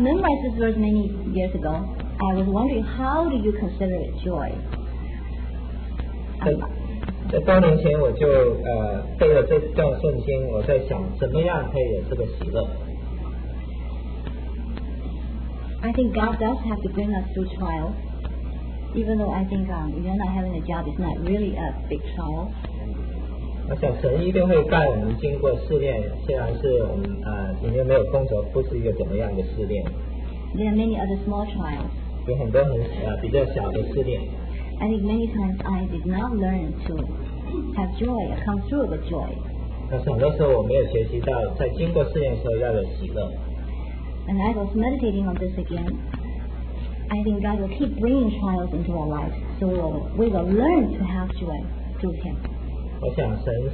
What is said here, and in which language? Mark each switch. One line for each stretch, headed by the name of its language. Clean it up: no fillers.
English: memorized this verse many years ago. I was wondering how do you consider it joy?
Chinese: 在多年前我就背了这段圣经，我在想怎么样可以有这个喜乐。
English: I think God does have to bring us through trials, even though I think you're not having a job is not really a big trial.
Chinese: 我想神一定会带我们经过试炼，虽然是我们里面没有工作，不是一个怎么样的试炼。
English: There are many other small trials.
Chinese: 有很多比较小的试炼。I
English: think many times I did not learn to have joy, come through with joy.
Chinese: 但是很多时候我没有学习到在经过试炼时候要有喜乐。
English: And I was meditating on this again. I think God will keep bringing trials into our lives, so we will learn to have joy through Him.